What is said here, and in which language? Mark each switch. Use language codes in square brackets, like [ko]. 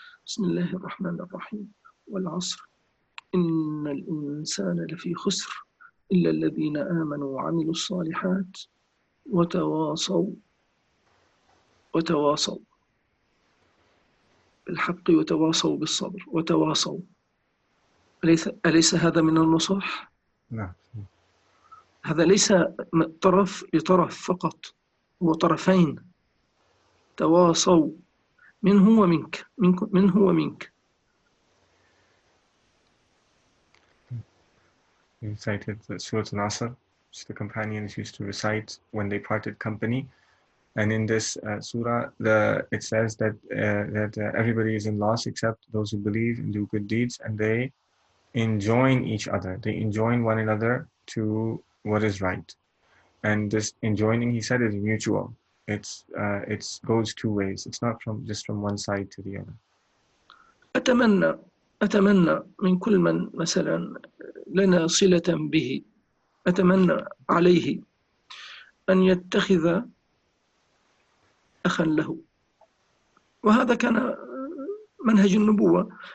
[ar] بسم الله الرحمن الرحيم. والعصر، إن الإنسان لفي خسر إلا الذين آمنوا وعملوا الصالحات وتواصوا بالحق وتواصوا بالصبر وتواصوا. أليس هذا من النصح؟ نعم. هذا ليس طرف لطرف فقط، هو طرفين تواصوا، منه ومنك، منك منه ومنك. [en] He recited the Surah Al-Asr, which the companions used to recite when they parted company. And in this surah, it says that everybody is in loss except those who believe and do good deeds, and they enjoin each other. They enjoin one another to what is right. And this enjoining, he said, is mutual. It goes two ways. It's not from just from one side to the other. [ar] أتمنى من كل من مثلا لنا صلة به، أتمنى عليه أن يتخذ أخا له، وهذا كان منهج النبوة.